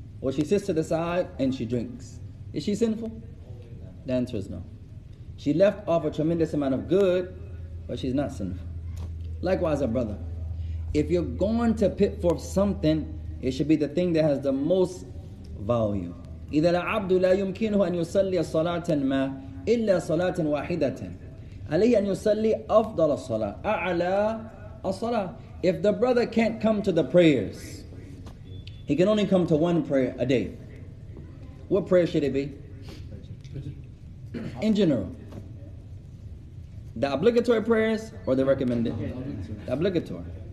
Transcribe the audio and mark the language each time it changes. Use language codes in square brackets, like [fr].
[en] Or she sits to the side and she drinks. Is she sinful? The answer is no. She left off a tremendous amount of good, but she's not sinful. Likewise, a brother, if you're going to put forth something, it should be the thing that has the most value. [ar] إذا العبد لا يمكنه أن يصلي صلاة ما إلا صلاة واحدة عليه أن يصلي أفضل الصلاة أعلى الصلاة. [en] If the brother can't come to the prayers, he can only come to one prayer a day. What prayer should it be? In general, the obligatory prayers or the recommended? The obligatory.